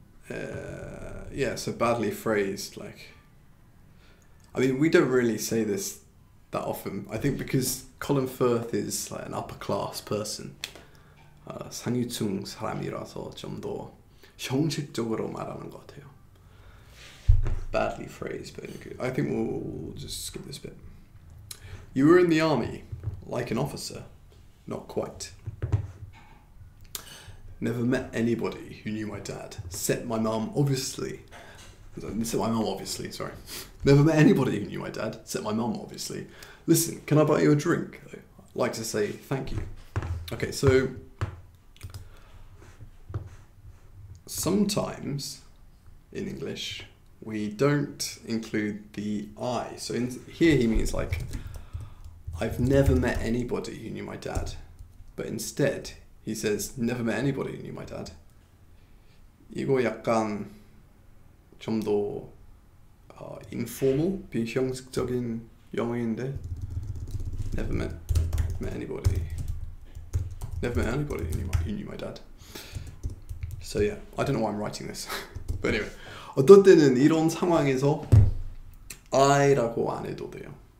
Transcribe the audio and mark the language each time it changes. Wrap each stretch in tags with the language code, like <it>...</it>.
<en>Yeah, so badly phrased, like... I mean, we don't really say this that often. I think because Colin Firth is like an upper-class person.</en> <ko>상류층 사람이라서 좀 더 형식적으로 말하는 것 같아요.</ko> <en>Badly phrased, but I think we'll just skip this bit. You were in the army, like an officer. Not quite. Never met anybody who knew my dad. Never met anybody who knew my dad. Except my mum, obviously. Listen, can I buy you a drink? I'd like to say thank you. Okay, so... sometimes, in English, we don't include the I. So in here he means like, I've never met anybody who knew my dad. But instead, he says, never met anybody who knew my dad.</en> <ko>이거 약간 좀 더 informal, 비형식적인 영어인데.</ko> <en>Never met anybody who knew my dad. So yeah, I don't know why I'm writing this. But anyway.</en> <ko>어떤 때는 이런 상황에서 I라고 안 해도 돼요.</ko>